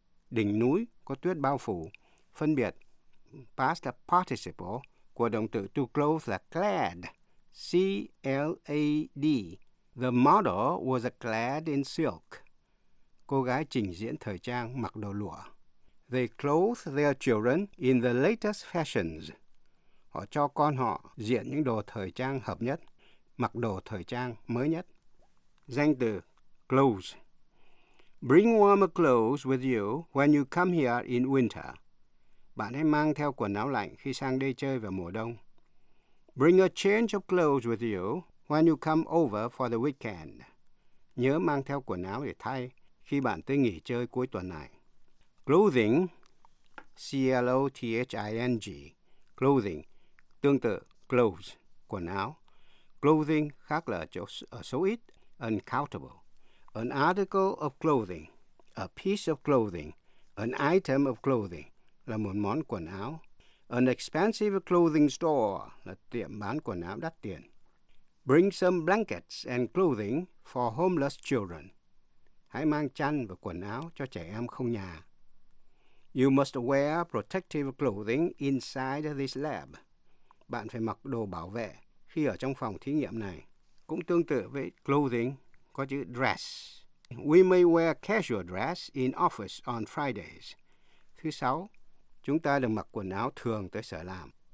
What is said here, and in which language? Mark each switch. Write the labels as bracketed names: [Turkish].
[Vietnamese] Đỉnh núi có tuyết bao phủ. Phân biệt, past participle của động từ to clothe là clad, C-L-A-D. [English] The model was clad in silk. [Vietnamese] Cô gái trình diễn thời trang mặc đồ lụa. [English] They clothed their children in the latest fashions. [Vietnamese] Họ cho con họ diện những đồ thời trang hợp nhất, mặc đồ thời trang mới nhất. Danh từ clothes. [English] Bring warmer clothes with you when you come here in winter. [Vietnamese] Bạn hãy mang theo quần áo lạnh khi sang đây chơi vào mùa đông. [English] Bring a change of clothes with you when you come over for the weekend. [Vietnamese] Nhớ mang theo quần áo để thay khi bạn tới nghỉ chơi cuối tuần này. Clothing, C-L-O-T-H-I-N-G, clothing, tương tự clothes, quần áo. Clothing khác là chỗ số ít, uncountable. [English] An article of clothing, a piece of clothing, an item of clothing, [Vietnamese] là một món quần áo. [English] An expensive clothing store, [Vietnamese] là tiệm bán quần áo đắt tiền. [English] Bring some blankets and clothing for homeless children. [Vietnamese] Hãy mang chăn và quần áo cho trẻ em không nhà. [English] You must wear protective clothing inside this lab. [Vietnamese] Bạn phải mặc đồ bảo vệ khi ở trong phòng thí nghiệm này. Cũng tương tự với clothing, có chữ dress. [English] We may wear casual dress in office on Fridays. [Vietnamese] Thứ sáu, chúng ta được mặc quần áo thường tới sở làm.